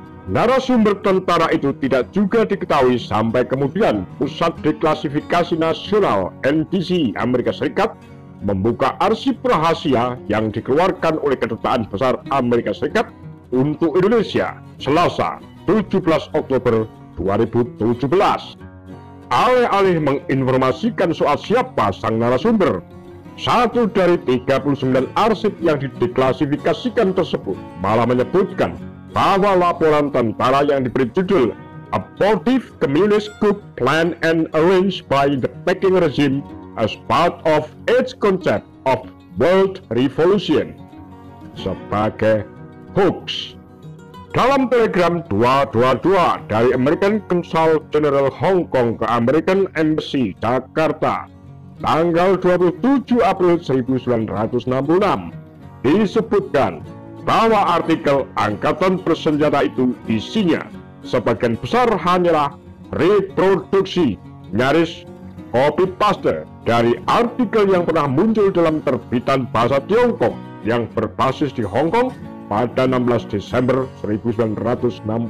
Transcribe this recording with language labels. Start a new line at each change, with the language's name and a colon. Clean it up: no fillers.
Indonesian: Narasumber tentara itu tidak juga diketahui sampai kemudian Pusat Deklasifikasi Nasional NDC Amerika Serikat membuka arsip rahasia yang dikeluarkan oleh Kedutaan Besar Amerika Serikat untuk Indonesia Selasa 17 Oktober 2017. Alih-alih menginformasikan soal siapa sang narasumber, satu dari 39 arsip yang dideklasifikasikan tersebut malah menyebutkan bahwa laporan tentara yang diberi judul
English: abortive communist coup planned and arranged by the Peking regime as part of its concept of world revolution
Indonesian: sebagai hoax. Dalam telegram 222 dari American Consul General Hong Kong ke American Embassy Jakarta tanggal 27 April 1966 disebutkan bahwa artikel angkatan bersenjata itu isinya sebagian besar hanyalah reproduksi nyaris copy paste dari artikel yang pernah muncul dalam terbitan bahasa Tiongkok yang berbasis di Hong Kong pada 16 Desember 1965.